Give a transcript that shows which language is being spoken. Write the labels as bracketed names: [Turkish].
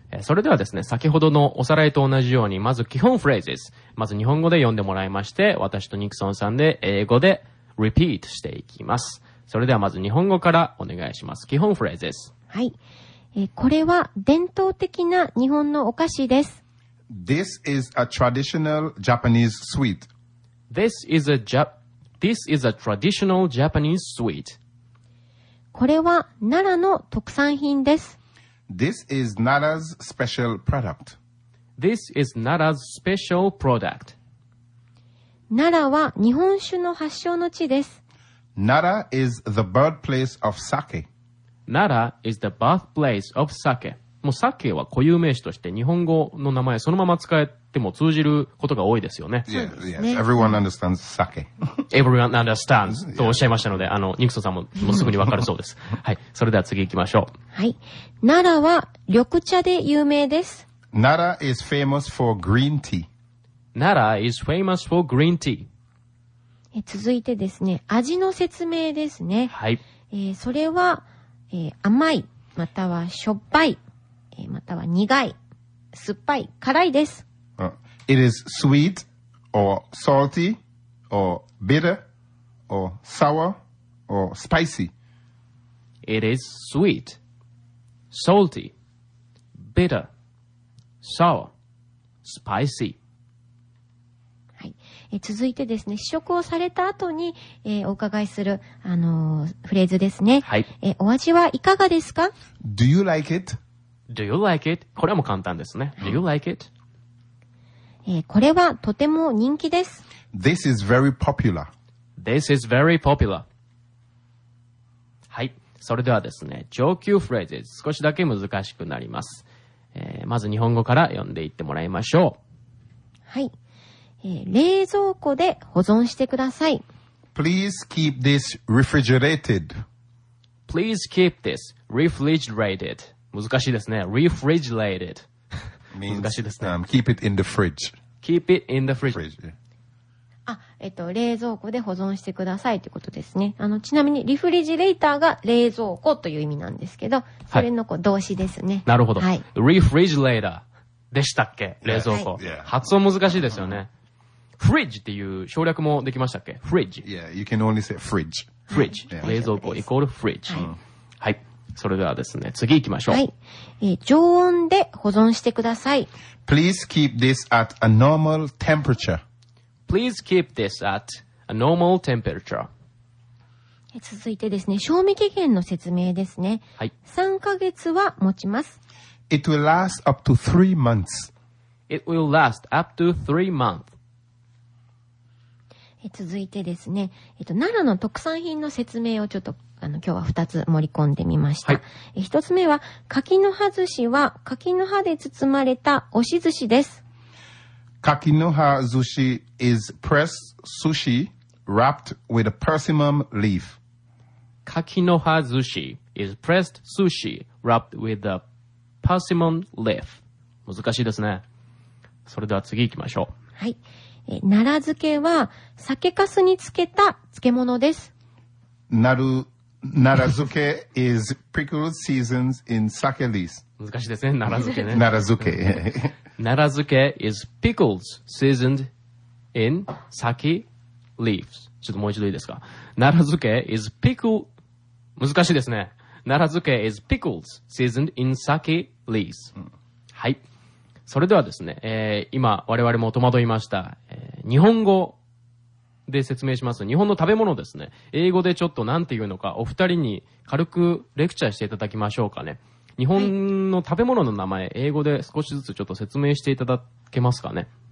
[Japanese] それではですね、先ほどのおさらいと同じように、まず基本フレーズ、まず日本語で読んでもらいまして、私とニクソンさんで英語で、repeat していきます。それではまず日本語からお願いします。基本フレーズです。はい。これは伝統的な日本のお菓子です。 [English] This is a traditional Japanese sweet. This is a traditional Japanese sweet. [Japanese] これは奈良の特産品です。 [English] This is Nara's special product. This is Nara's special product. [Japanese] 奈良は日本酒の発祥の地です。 [English] Nara is the birthplace of sake. Nara is the birthplace of sake. [Japanese] もう sake は固有名詞として日本語の名前そのまま使えっても通じることが多いですよね。 [English] Yes, yes. Everyone understands sake. Everyone understands [Japanese] とおっしゃいましたので、あの、ニクソさんもすぐにわかるそうです。はい。それでは次行きましょう。はい。奈良は緑茶で有名です。 [English] 奈良 is famous for green tea. 奈良 is famous for green tea. [Japanese] 続いてですね、味の説明ですね。はい。それは、甘い、またはしょっぱい、または苦い、酸っぱい、辛いです。 [English] It is sweet or salty or bitter or sour or spicy. It is sweet, salty, bitter, sour, spicy. [Japanese] はい。続いてですね、試食をされた後に、お伺いする、フレーズですね。はい。お味はいかがですか? [English] Do you like it? Do you like it? [Japanese] これも簡単ですね。 [English] Do you like it? [Japanese] これはとても人気です。 [English] This is very popular. This is very popular. [Japanese] はい。それではですね、上級フレーズ、少しだけ難しくなります。まず日本語から読んでいってもらいましょう。はい。冷蔵庫で保存してください。 [English] Please keep this refrigerated. Please keep this refrigerated. [Japanese] 難しいですね。Refrigerated. 難しいですね。 [English] Keep it in the fridge. Keep it in the fridge. [Japanese] あ、冷蔵庫で保存してくださいということですね。ちなみに、リフリジレーターが冷蔵庫という意味なんですけど、それのこう動詞ですね。はい、なるほど。リフリジレーターでしたっけ冷蔵庫。 [English] Yeah, [Japanese] yeah. 発音難しいですよね。フリッジっていう省略もできましたっけフリッジ。 [English] Yeah, you can only say fridge. [Japanese] フリッジ。冷蔵庫イコールフリッジ。はい。それではですね、次行きましょう。はい。常温で保存してください。 [English] Please keep this at a normal temperature. Please keep this at a normal temperature. [Japanese] 続いてですね、賞味期限の説明ですね。はい。 3ヶ月は持ちます。 [English] It will last up to 3 months. It will last up to 3 months. [Japanese] 続いてですね、奈良の特産品の説明をちょっと今日は2つ盛り込んでみました、はい、 1つ目は柿の葉寿司は柿の葉で包まれた押し寿司です [English] 柿の葉寿司 is pressed sushi wrapped with a persimmon leaf 柿の葉寿司 is pressed sushi wrapped with a persimmon leaf [Japanese] 難しいですねそれでは次行きましょうはい。奈良漬けは酒粕につけた漬物です [English] 奈良奈良漬け is pickled seasons in sake leaves. [Japanese] 難しいですね。奈良漬けね。奈良漬け。 [English] 奈良漬け is pickled seasoned in sake leaves. [Japanese] ちょっともう一度いいですか。奈良漬け [English] is pickled [Japanese] 難しいですね。 [English] 奈良漬け is pickled seasoned in sake leaves.、うん、はい。 [Japanese] それではですね、今我々も戸惑いました。日本語で説明します。日本の食べ物ですね。英語でちょっと何て言うのか、お二人に軽くレクチャーしていただきましょうかね。日本の食べ物の名前、はい、英語で少しずつちょっと説明していただけますかね。